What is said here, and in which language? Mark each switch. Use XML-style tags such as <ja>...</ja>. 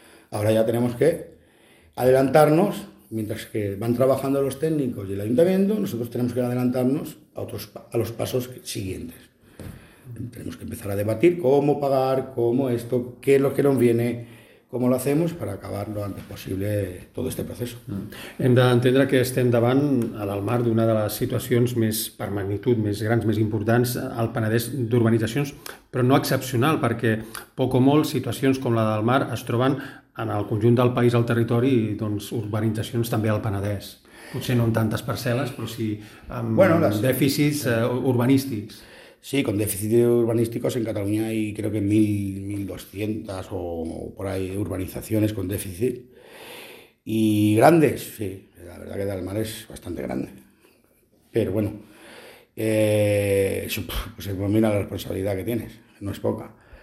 <es>Ahora ya tenemos que adelantarnos, mientras que van trabajando los técnicos y el ayuntamiento, nosotros tenemos que adelantarnos a los pasos siguientes. Tenemos que empezar a debatir cómo pagar, cómo esto, qué es lo que nos viene, cómo lo hacemos para acabar lo antes posible todo este proceso.</es> <ca>Hem d'entendre que estem davant, al mar, d'una de les situacions més per magnitud, més grans, més importants, al Penedès d'urbanitzacions, però no excepcional, perquè poc o molt situacions com la del mar es troben en el conjunt del país, al territori, i doncs, urbanitzacions també al Penedès. Potser no en tantes parcel·les, però sí amb dèficits urbanístics.</ca> <es>Sí, con déficits urbanísticos en Cataluña hay creo que 1.200 o por ahí urbanizaciones con déficit. Y grandes, sí. La verdad que Dalmar es bastante grande. Pero bueno, pues mira la responsabilidad que tienes, no es poca.</es>